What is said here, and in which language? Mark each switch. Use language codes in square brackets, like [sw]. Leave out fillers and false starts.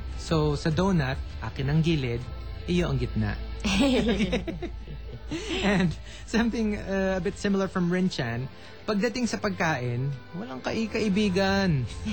[tl] So, sa donut, akin ang gilid, iyo ang gitna. [en] And something a bit similar from Rinchan. [tl] Pagdating sa pagkain, walang kaibigan.